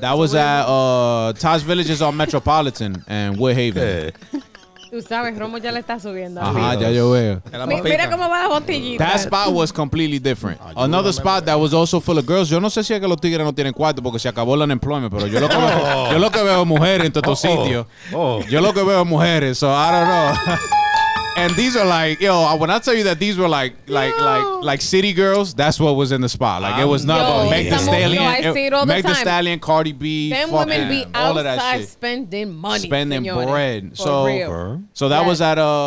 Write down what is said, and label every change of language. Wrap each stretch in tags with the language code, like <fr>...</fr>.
<en>That was at Taj Village is on Metropolitan and Woodhaven.</en> <es>Tú sabes, Romo ya le está subiendo. Ajá, amigos. Ya yo veo. Mira cómo va la botellita.</es> <en>That spot was completely different. Another spot that was also full of girls.</en> <es>Yo no sé si es que los tigres no tienen cuarto porque se acabó el unemployment, pero yo lo que veo, yo lo que veo mujeres en todos estos sitios. Yo lo que veo mujeres,</es> <en>so I don't know. And these are like, yo, when I tell you that these were like city girls, that's what was in the spot. Like, it was nothing. Meg Thee Stallion. Meg Thee Stallion, Cardi B. Them women be outside spending money. Spending</en> <es>señores,</es> <en>bread. So, so that was at</en>